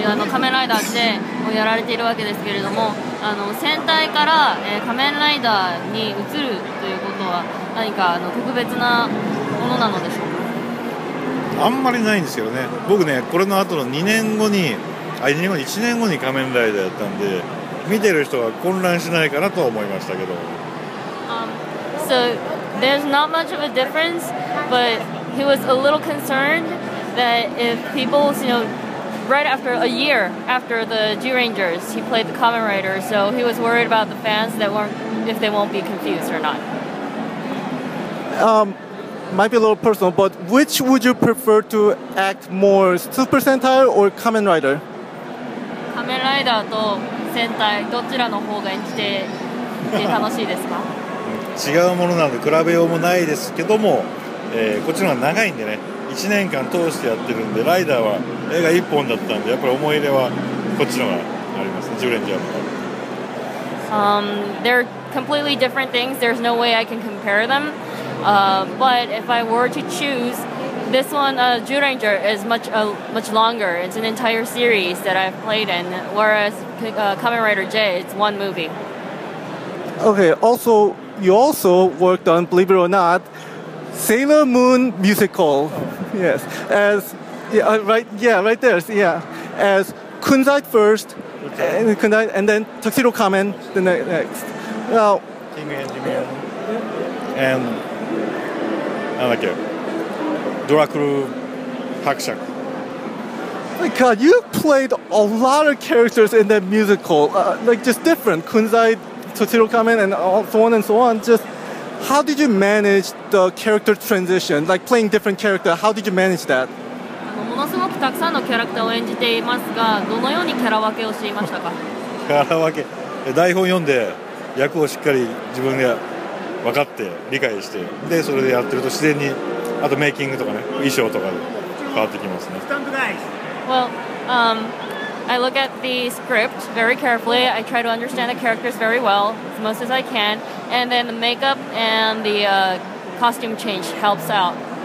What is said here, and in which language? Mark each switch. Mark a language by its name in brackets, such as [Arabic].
[Japanese] カメンライダーでやられているわけですけれども、戦隊から仮面ライダーに移るということは何か特別なものなのでしょうか？あんまりないんですけどね。僕ね、これの後の1年後に仮面ライダーやったんで、見てる人は混乱しないかなと思いましたけど。 [English] So there's not much of a difference, but he was a little concerned that if people, you know,right after a year after the G-Rangers, he played the Kamen Rider, so he was worried about the fans that weren't, if they won't be confused or not. Might be a little personal, but which would you prefer to act more, Super Sentai or Kamen Rider? [Japanese] Kamen Rider と Sentai, どちらの方が演じて楽しいですか？違うものなので比べようもないですけども、こちらは長いんでね。 1年間通してやってるんで、ライダーは映画1本だったんで、やっぱり思い入れはこっちの方がありますね、ジュレンジャーの方が。 [English] They're completely different things. There's no way I can compare them. But if I were to choose, this one, Juranger, is much longer. It's an entire series that I've played in, whereas Kamen Rider J, it's one movie. Okay, also, you also worked on, believe it or not,Sailor Moon musical, yes, as Kunzite first, and then Tuxedo Kamen the next. Now, Jimmy. And Dracula Hakshak. My God, you played a lot of characters in that musical, just different Kunzite, Tuxedo Kamen, and so on and so on. Just. How did you manage the character transition? Like playing different character, how did you manage that? [Japanese] ものすごくたくさんのキャラクターを演じていますが、どのようにキャラ分けをしていましたか？キャラ分け、台本読んで役をしっかり自分で分かって理解して、でそれでやってると自然にあとメイキングとかね、衣装とかで変わってきますね。 [English] Well, I look at the script very carefully. I try to understand the characters very well, as much as I can. And then the makeup and the costume change helps out.